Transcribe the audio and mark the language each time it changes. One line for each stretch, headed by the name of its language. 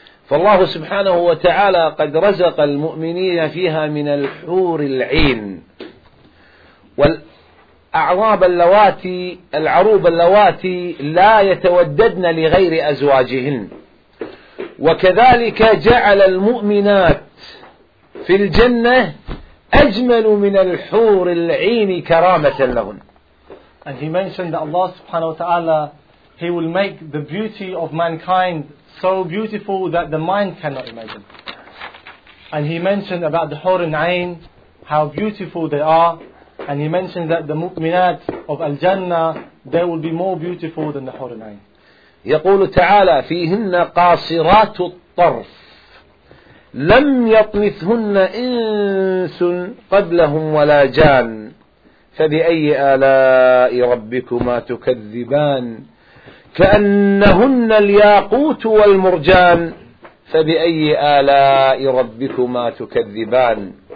Arabic: فالله سبحانه وتعالى قد رزق المؤمنين فيها من الحور العين والأعراب اللواتي العروب اللواتي لا يتوددن لغير أزواجهن، وكذلك جعل المؤمنات في الجنة أجمل من الحور العين كرامة لهن.
English: And he mentioned that Allah subhanahu wa ta'ala, he will make the beauty of mankind so beautiful that the mind cannot imagine. And he mentioned about the Hur and Ayn, how beautiful they are. And he mentioned that the mu'minat of Al-Jannah, they will be more beautiful than the Hur and Ayn.
Arabic: يقول تعالى فيهن قاصرات الطرف لم يطمثهن إنس قبلهم ولا جان فبأي آلاء ربكما تكذبان كأنهن الياقوت والمرجان فبأي آلاء ربكما تكذبان.